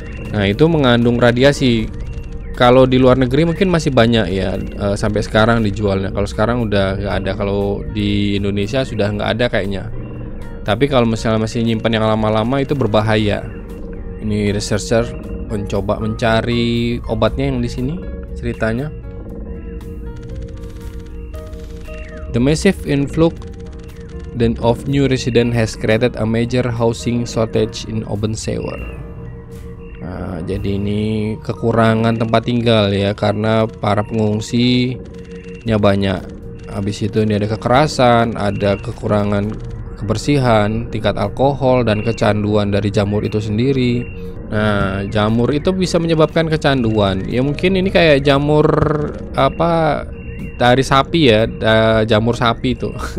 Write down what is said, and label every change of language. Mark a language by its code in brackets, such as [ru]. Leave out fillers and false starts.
[id] Nah itu mengandung radiasi. Kalau di luar negeri mungkin masih banyak ya, sampai sekarang dijualnya. Kalau sekarang udah nggak ada, kalau di Indonesia sudah nggak ada kayaknya. Tapi kalau misalnya masih nyimpan yang lama-lama itu berbahaya. Ini researcher mencoba mencari obatnya yang di sini ceritanya. [en] The massive influx then of new resident has created a major housing shortage in Open Sewer. [id] Nah, jadi ini kekurangan tempat tinggal ya, karena para pengungsinya banyak. Habis itu ini ada kekerasan, ada kekurangan kebersihan, tingkat alkohol dan kecanduan dari jamur itu sendiri. Nah, jamur itu bisa menyebabkan kecanduan. Ya mungkin ini kayak jamur apa, dari sapi ya, jamur sapi itu.